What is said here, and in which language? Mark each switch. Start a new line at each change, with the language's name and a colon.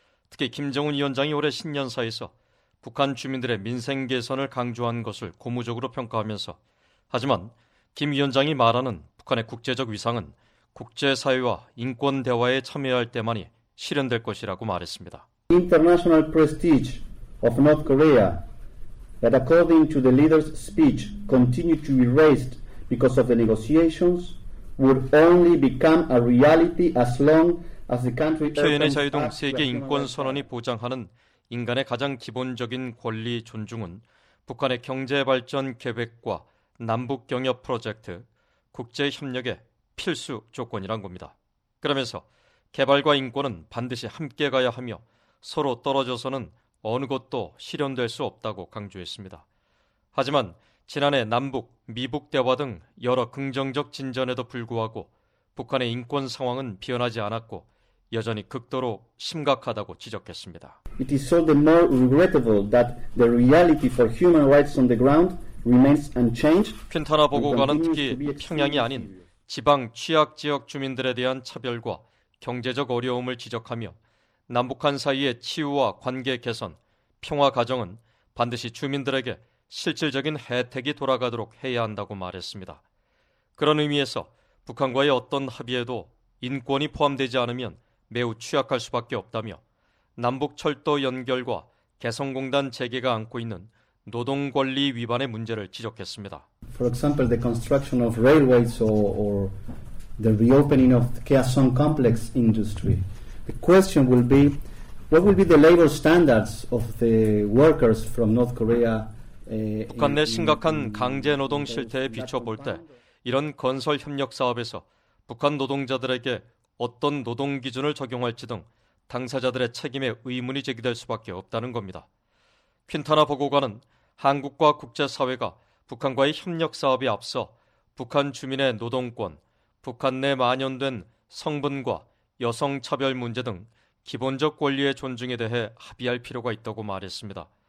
Korean: 특히김정은위원장이올해신년사에서북한주민들의민생개선을강조한것을고무적으로평가하면서하지만김위원장이말하는북한의국제적위상은 국제사회와 인권 대화에 참여할 때만이 실현될 것이라고 말했습니다.
English: International prestige of North Korea that according to the leader's speech continue to be raised because of the negotiations would only become a reality as long as the country
Korean: 표현의 자유 등 세계 인권 선언이 보장하는 인간의 가장 기본적인 권리 존중은 북한의 경제 발전 계획과 남북 경협 프로젝트 국제 협력의 필수 조건이란 겁니다. 그러면서 개발과 인권은 반드시 함께 가야 하며 서로 떨어져서는 어느 것도 실현될 수 없다고 강조했습니다. 하지만 지난해 남북, 미북 대화 등 여러 긍정적 진전에도 불구하고 북한의 인권 상황은 변하지 않았고 여전히 극도로 심각하다고 지적했습니다.
English: It is all the more regrettable that the reality for human rights on the ground remains unchanged.
Korean: 퀸타나 보고관은 특히 평양이 아닌 지방 취약 지역 주민들에 대한 차별과 경제적 어려움을 지적하며 남북한 사이의 치유와 관계 개선, 평화 과정은 반드시 주민들에게 실질적인 혜택이 돌아가도록 해야 한다고 말했습니다. 그런 의미에서 북한과의 어떤 합의에도 인권이 포함되지 않으면 매우 취약할 수밖에 없다며 남북 철도 연결과 개성공단 재개가 안고 있는 노동 권리 위반의 문제를 지적했습니다.
English: For example, the construction of railways or the reopening of the Kaesong complex industry. The question will be what will be the labor standards of the workers from North Korea
Korean: 북한 내 심각한 강제 노동 실태에 비춰 볼 때 이런 건설 협력 사업에서 북한 노동자들에게 어떤 노동 기준을 적용할지 등 당사자들의 책임에 의문이 제기될 수밖에 없다는 겁니다. 퀸타나 보고관은 한국과 국제사회가 북한과의 협력 사업에 앞서 북한 주민의 노동권, 북한 내 만연된 성분과 여성 차별 문제 등 기본적 권리의 존중에 대해 합의할 필요가 있다고 말했습니다.